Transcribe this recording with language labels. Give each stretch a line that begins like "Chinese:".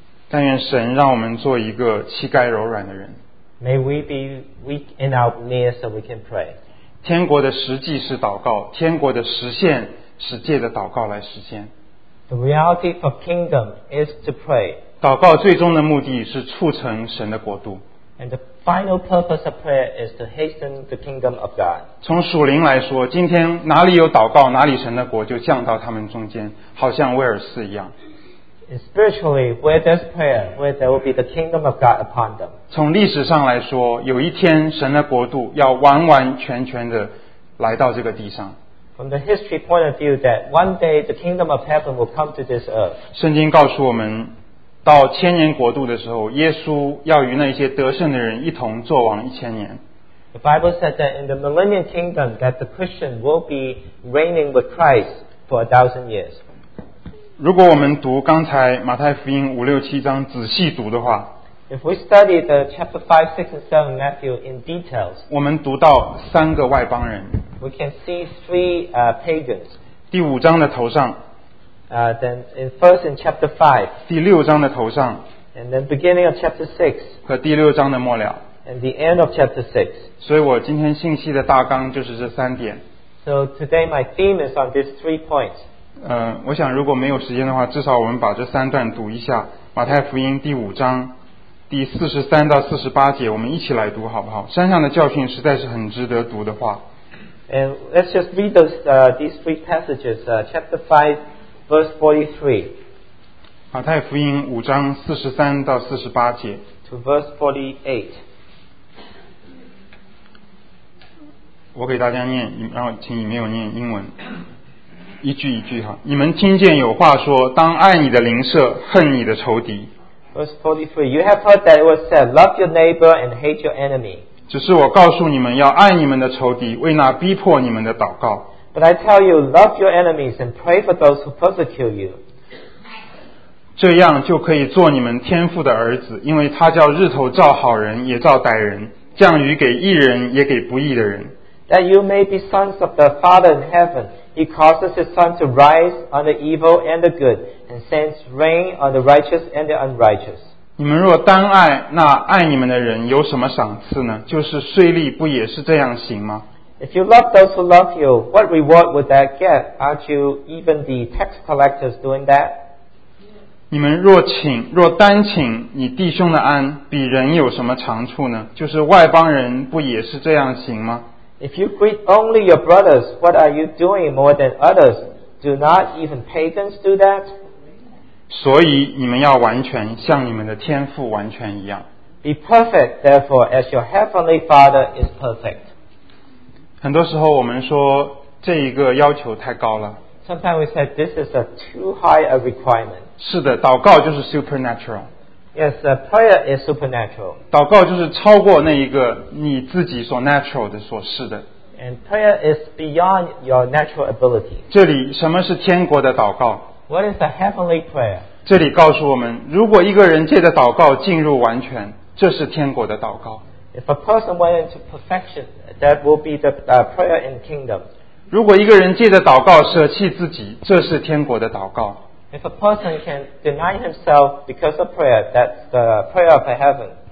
Chinese: 但愿神让我们做一个膝盖柔软的人。
English: May we be weak in our knees so we can pray.
Chinese: 天国的实际是祷告，天国的实现是借着祷告来实现。
English: The reality for kingdom is to pray.
Chinese: 祷告最终的目的是促成神的国度。
English: And the final purpose of prayer is to hasten the kingdom of God.
Chinese: 从属灵来说，今天哪里有祷告，哪里神的国就降到他们中间，好像威尔斯一样。
English: And spiritually, where there's prayer, where there will be the kingdom of God upon them.
Chinese: 从历史上来说，有一天神的国度要完完全全的来到这个地上。
English: From the history point of view, that one day the kingdom of heaven will come to this earth.
Chinese: 圣经告诉我们，到千年国度的时候，耶稣要与那些得胜的人一同作王一千年。
English: The Bible said that in the millennial kingdom, that the Christian will be reigning with Christ for 1,000 years.
Chinese: 如果我们读刚才马太福音五六七章仔细读的话，
English: If we study the chapter 5, 6 and 7 Matthew in details,
Chinese: 我们读到三个外邦人。
English: We can see three pagans.
Chinese: 第五章的头上。
English: Then in first in chapter 5.
Chinese: 第六章的头上。
English: And then beginning of chapter 6.
Chinese: 和第六章的末了。
English: And the end of chapter 6.
Chinese: 所以我今天信息的大纲就是这三点。
English: So today my theme is on these three points.
Chinese: 我想如果没有时间的话，至少我们把这三段读一下。马太福音第五章第43-48节，我们一起来读好不好？山上的教训实在是很值得读的话。
English: And let's just read those these three passages. Chapter 5, verse 43.
Chinese: 马太福音五章43-48节。
English: To verse 48.
Chinese: 我给大家念，然后请你没有念英文。一句一句哈，你们听见有话说，当爱你的邻舍，恨你的仇敌。
English: Verse 43, you have heard that it was said, love your neighbor and hate your enemy.
Chinese: 只是我告诉你们，要爱你们的仇敌，为那逼迫你们的祷告。
English: But I tell you, love your enemies and pray for those who persecute you.
Chinese: 这样就可以做你们天父的儿子，因为他叫日头照好人，也照歹人，降雨给义人，也给不义的人。
English: That you may be sons of the Father in heaven. He causes his sun to rise on the evil and the good, and sends rain on the righteous and the unrighteous.
Chinese: 你们若单爱那爱你们的人，有什么赏赐呢？就是税吏不也是这样行吗？
English: If you love those who love you, what reward would that get? Aren't you even the tax collectors doing that?
Chinese: 你们若单请你弟兄的安，比人有什么长处呢？就是外邦人不也是这样行吗？
English: If you greet only your brothers, what are you doing more than others? Do not even pagans do that?
Chinese: 所以你们要完全像你们的天父完全一样。
English: Be perfect, therefore, as your heavenly Father is perfect.
Chinese: 很多时候我们说这一个要求太高了。
English: Sometimes we say this is a too high a requirement.
Chinese: 是的, 祷告就是 supernatural.
English: Yes, prayer is supernatural.
Chinese: 祷告就是超过那一个你自己所 natural的所示的。
English: And prayer is beyond your natural ability.
Chinese: 这里什么是天国的祷告?
English: What is the heavenly prayer?
Chinese: 这里告诉我们, 如果一个人借着祷告进入完全, 这是天国的祷告。
English: If a person went into perfection, that will be the prayer in the kingdom.
Chinese: 如果一个人借着祷告舍弃自己, 这是天国的祷告。
English: If a person can deny himself because of prayer, that's the prayer of heaven.